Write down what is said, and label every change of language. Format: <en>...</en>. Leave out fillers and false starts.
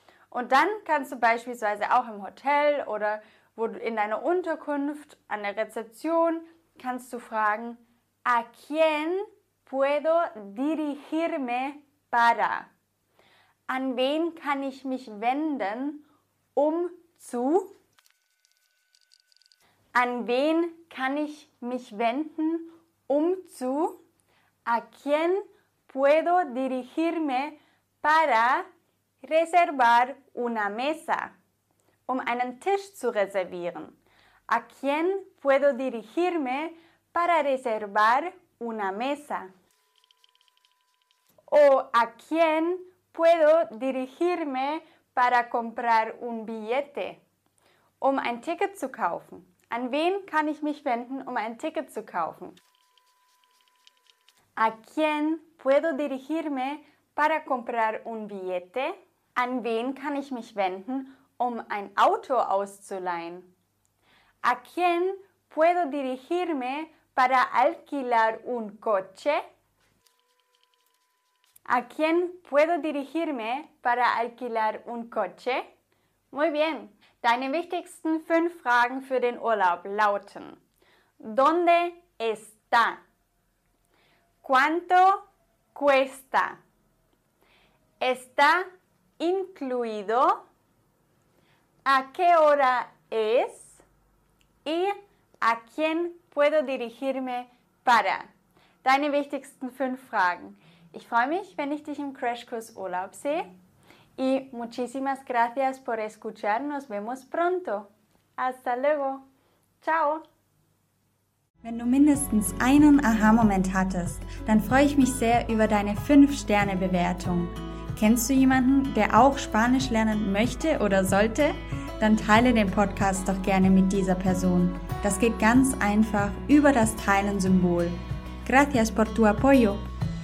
<de>Und dann kannst du beispielsweise auch im Hotel oder wo du in deiner Unterkunft an der Rezeption kannst du fragen,</de> <es>¿A quién puedo dirigirme para?</es> <de>An wen kann ich mich wenden, um zu? An wen kann ich mich wenden, um zu?</de> <es>¿A quién puedo dirigirme para reservar una mesa?</es> <de>Um einen Tisch zu reservieren.</de> <es>¿A quién puedo dirigirme para reservar una mesa? ¿O a quién puedo dirigirme para comprar un billete?</es> <de>Um ein Ticket zu kaufen. An wen kann ich mich wenden, um ein Ticket zu kaufen?</de> <es>¿A quién puedo dirigirme para comprar un billete?</es> <de>An wen kann ich mich wenden, um ein Auto auszuleihen?</de> <es>¿A quién puedo dirigirme para alquilar un coche? ¿A quién puedo dirigirme para alquilar un coche? Muy bien.</es> <de>Deine wichtigsten 5 Fragen für den Urlaub lauten:</de> <es>¿Dónde está? ¿Cuánto cuesta? ¿Está incluido? ¿A qué hora es? ¿Y a quién puedo dirigirme para?</es> <de>Deine wichtigsten 5 Fragen. Ich freue mich, wenn ich dich im Crashkurs Urlaub sehe.</de> <es>Y muchísimas gracias por escuchar. Nos vemos pronto. Hasta luego. Ciao.</es> <de>Wenn du mindestens einen Aha-Moment hattest, dann freue ich mich sehr über deine 5-Sterne-Bewertung. Kennst du jemanden, der auch Spanisch lernen möchte oder sollte? Dann teile den Podcast doch gerne mit dieser Person. Das geht ganz einfach über das Teilen-Symbol.</de> <es>Gracias por tu apoyo.</es>